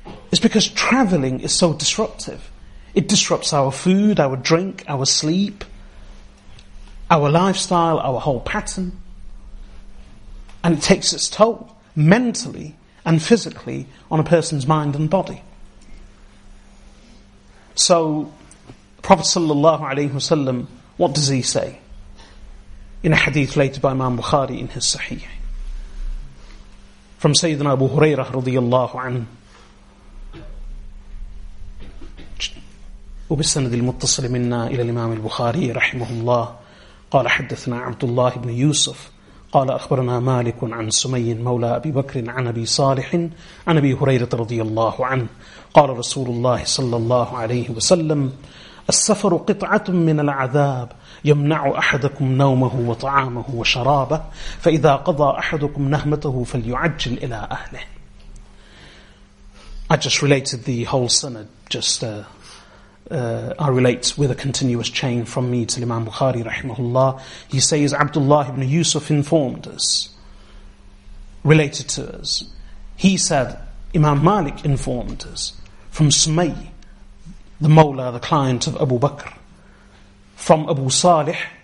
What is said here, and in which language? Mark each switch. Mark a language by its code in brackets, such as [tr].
[en] It's because travelling is so disruptive. It disrupts our food, our drink, our sleep, our lifestyle, our whole pattern. And it takes its toll mentally and physically on a person's mind and body. So, Prophet sallallahu alaihi wasallam, what does he say in a hadith related by Imam Bukhari in his Sahih, from Sayyidina Abu Hurairah radiyallahu anhu, [ar] وبالسند المتصل منا إلى الإمام البخاري رحمه الله قال حدثنا عبد الله بن يوسف قال أخبرنا مالك عن سمي مولى أبي بكر عن أبي صالح عن أبي هريرة رضي الله عنه قال رسول الله صلى الله عليه وسلم السفر قطعة من العذاب يمنع أحدكم نومه وطعامه وشرابه فإذا قضى أحدكم نهمته فليعجل إلى أهله. [en] I just related the whole sunnah, I relate with a continuous chain from me to Imam Bukhari rahimahullah. He says Abdullah ibn Yusuf informed us, related to us. He said Imam Malik informed us from Sumay, the Mawla, the client of Abu Bakr, from Abu Salih,